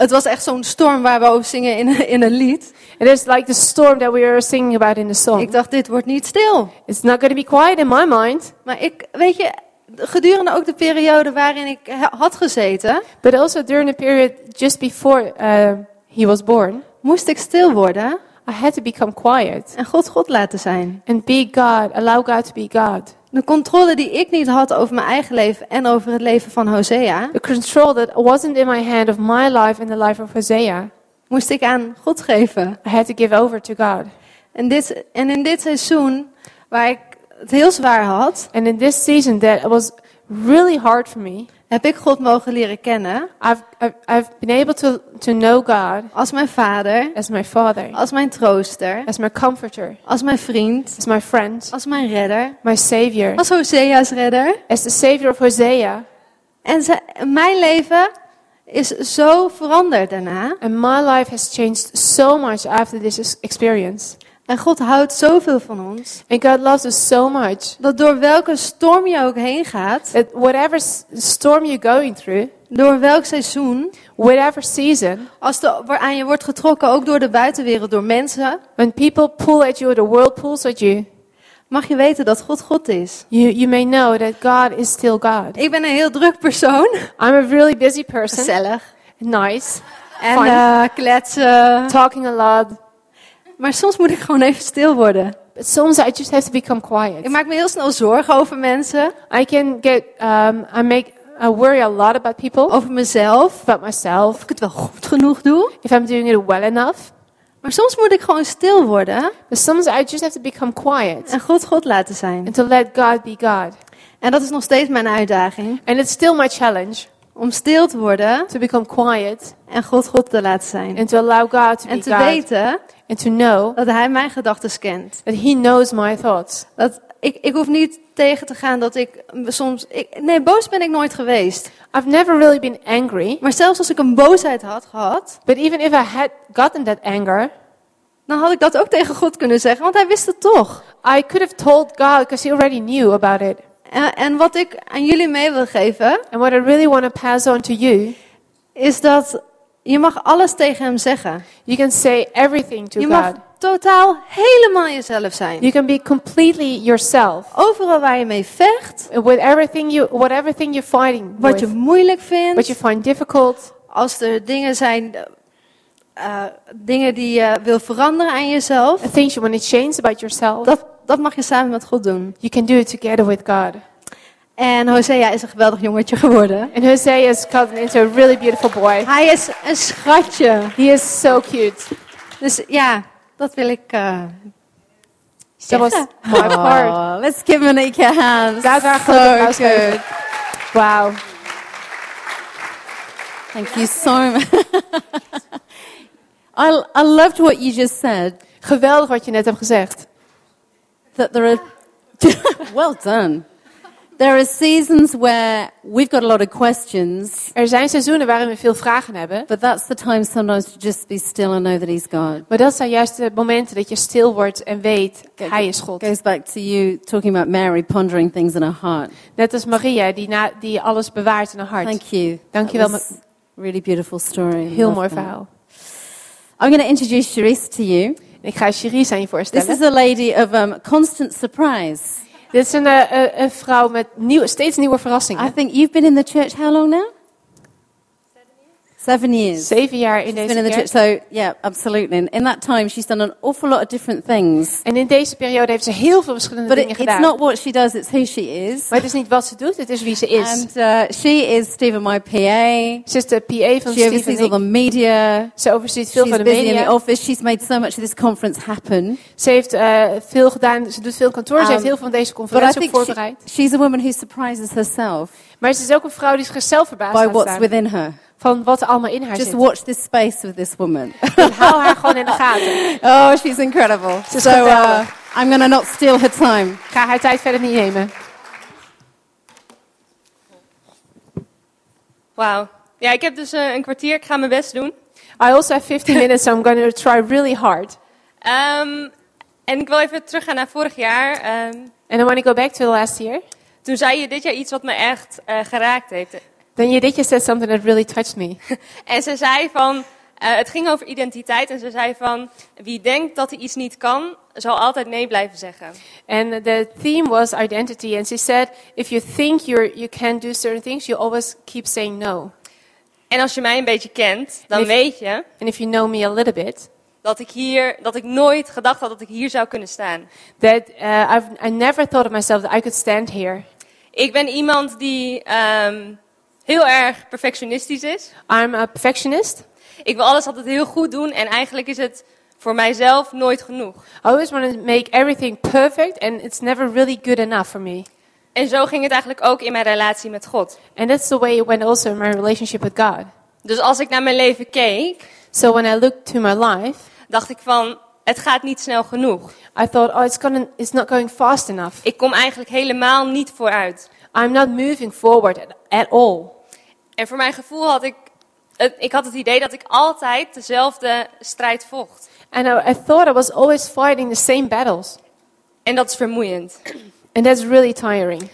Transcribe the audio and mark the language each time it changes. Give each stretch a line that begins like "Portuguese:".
Dutch: Het was echt zo'n storm waar we over zingen in een lied.
English: It is like the storm that we are singing about in the song.
Dutch: Ik dacht, dit wordt niet stil.
English: It's not going to be quiet in my mind.
Dutch: Maar ik, weet je, gedurende ook de periode waarin ik had gezeten.
English: But also during the period just before he was born.
Dutch: Moest ik stil worden.
English: I had to become quiet.
Dutch: En God God laten zijn.
English: And be God. Allow God to be God.
Dutch: De controle die ik niet had over mijn eigen leven en over het leven van Hosea.
English: The control that wasn't in my hand of my life and the life of Hosea.
Dutch: Moest ik aan God geven.
English: I had to give over to God.
Dutch: En in dit seizoen waar ik het heel zwaar had.
English: And in this season that was really hard for me.
Dutch: Heb ik God mogen leren kennen?
English: I've been able to know God.
Dutch: Als mijn vader.
English: As my father.
Dutch: Als mijn trooster.
English: As my comforter.
Dutch: Als mijn vriend.
English: As my friend.
Dutch: Als mijn redder.
English: My savior.
Dutch: Als Hosea's redder.
English: As the savior of Hosea.
Dutch: En mijn leven is zo veranderd daarna.
English: And my life has changed so much after this experience.
Dutch: En God houdt zoveel van ons.
English: And God loves us so much.
Dutch: Dat door welke storm je ook heen gaat.
English: That whatever storm you're going through.
Dutch: Door welk seizoen.
English: Whatever season.
Dutch: Als waar aan je wordt getrokken, ook door de buitenwereld, door mensen.
English: When people pull at you, the world pulls at you.
Dutch: Mag je weten dat God God is.
English: You may know that God is still God.
Dutch: Ik ben een heel druk persoon.
English: I'm a really busy person.
Dutch: Gezellig.
English: Nice.
Dutch: En kletsen.
English: Talking a lot.
Dutch: Maar soms moet ik gewoon even stil worden.
English: But sometimes I just have to become quiet.
Dutch: Ik maak me heel snel zorgen over mensen.
English: I can get, I worry a lot about people.
Dutch: Over mezelf.
English: About myself.
Dutch: Of ik het wel goed genoeg doe.
English: If I'm doing it well enough.
Dutch: Maar soms moet ik gewoon stil worden.
English: But sometimes I just have to become quiet.
Dutch: En God God laten zijn.
English: And to let God be God.
Dutch: En dat is nog steeds mijn uitdaging.
English: And it's still my challenge.
Dutch: Om stil te worden.
English: To become quiet.
Dutch: En God God te laten zijn.
English: And to allow God to be God.
Dutch: En te weten.
English: And to know
Dutch: dat hij mijn gedachten kent.
English: That he knows my thoughts.
Dutch: Dat ik hoef niet tegen te gaan dat ik soms boos ben ik nooit geweest.
English: I've never really been angry.
Dutch: Maar zelfs als ik een boosheid had gehad,
English: but even if I had gotten that anger,
Dutch: dan had ik dat ook tegen God kunnen zeggen, want hij wist het toch.
English: I could have told God because he already knew about it.
Dutch: En wat ik aan jullie mee wil geven,
English: and what I really want to pass on to you,
Dutch: is dat je mag alles tegen hem zeggen.
English: You can say everything to
Dutch: God. Je mag totaal helemaal jezelf zijn.
English: You can be completely yourself.
Dutch: Overal waar je mee vecht.
English: With everything you, whatever thing you're fighting.
Dutch: Wat je moeilijk vindt.
English: What you find difficult.
Dutch: Als er dingen zijn, dingen die je wil veranderen aan jezelf.
English: Things you want to change about yourself.
Dutch: Dat mag je samen met God doen.
English: You can do it together with God.
Dutch: En Hosea is een geweldig jongetje geworden.
English: And Hosea is gotten into a really beautiful boy.
Dutch: Hij is een schatje.
English: He is so cute.
Dutch: Dus ja, dat wil ik zeggen.
English: That was my part. Let's give him an equal hand. Guys, so good. Wow. Thank you so much. I loved what you just said.
Dutch: Geweldig wat je net hebt gezegd.
English: That there are well done. There are seasons where we've got a lot of questions.
Dutch: Er zijn seizoenen waarin we veel vragen hebben.
English: But that's the time sometimes to just be still and know that He's God.
Dutch: Maar dat zijn juist de momenten dat je stil wordt en weet Hij is God.
English: Goes back to you talking about Mary pondering things in her heart.
Dutch: Net als Maria die alles bewaart in haar hart.
English: Thank you.
Dutch: Dank je wel.
English: Really beautiful story.
Dutch: Heel mooi verhaal.
English: I'm going to introduce Charisse to you.
Dutch: Ik ga Charisse aan je voorstellen.
English: This is a lady of constant surprise.
Dutch: Dit is een vrouw met steeds nieuwe verrassingen.
English: I think you've been in the church how long now? 7 years.
Dutch: 7 jaar in
English: she's
Dutch: deze
English: been in
Dutch: kerk.
English: The church. So yeah, absolutely. In that time, she's done an awful lot of different things.
Dutch: En in deze periode heeft ze heel veel verschillende
English: But
Dutch: dingen gedaan.
English: But it's not what she does; it's who she is.
Dutch: Maar het is niet wat ze doet; het is wie ze is.
English: And she is Steve and my PA.
Dutch: Ze is de PA van
English: Steve. She oversees all the media.
Dutch: Ze overziet veel
English: she's
Dutch: van de media.
English: She's busy in the office. She's made so much of this conference happen.
Dutch: Ze heeft veel gedaan. Ze doet veel kantoor. Ze heeft heel veel van deze conferentie voorbereid.
English: She's a woman who surprises herself.
Dutch: Maar ze is ook een vrouw die zichzelf verbaast.
English: By what's within her.
Dutch: Van wat er allemaal in haar
English: just
Dutch: zit.
English: Watch this space with this woman.
Dutch: Hou haar gewoon in de gaten.
English: Oh, she's incredible.
Dutch: Ze is
English: so I'm gonna not steal her time.
Dutch: Ga haar tijd verder niet nemen.
English: Wow.
Dutch: Ja, ik heb dus een kwartier. Ik ga mijn best doen.
English: I also have 15 minutes, so I'm gonna try really hard.
Dutch: En ik wil even teruggaan naar vorig jaar.
English: And I want to go back to the last year.
Dutch: Toen zei je dit jaar iets wat me echt geraakt heeft.
English: Then you did just say something that really touched me.
Dutch: En ze zei van, het ging over identiteit. En ze zei van, wie denkt dat hij iets niet kan, zal altijd nee blijven zeggen.
English: And the theme was identity. And she said, if you think you can do certain things, you always keep saying no.
Dutch: En als je mij een beetje kent, dan weet je.
English: And if you know me a little bit.
Dutch: Dat ik nooit gedacht had dat ik hier zou kunnen staan.
English: That I never thought of myself that I could stand here.
Dutch: Ik ben iemand die heel erg perfectionistisch is.
English: I'm a perfectionist.
Dutch: Ik wil alles altijd heel goed doen en eigenlijk is het voor mijzelf nooit genoeg.
English: I always want to make everything perfect and it's never really good enough for me.
Dutch: En zo ging het eigenlijk ook in mijn relatie met God.
English: And that's the way it went also in my relationship with God.
Dutch: Dus als ik naar mijn leven keek,
English: so when I looked to my life,
Dutch: dacht ik van, het gaat niet snel genoeg.
English: I thought, oh, it's not going fast enough.
Dutch: Ik kom eigenlijk helemaal niet vooruit.
English: I'm not moving forward at all.
Dutch: En voor mijn gevoel had ik had het idee dat ik altijd dezelfde strijd vocht.
English: And I thought I was always fighting the same battles.
Dutch: En dat is vermoeiend.
English: And that's really tiring.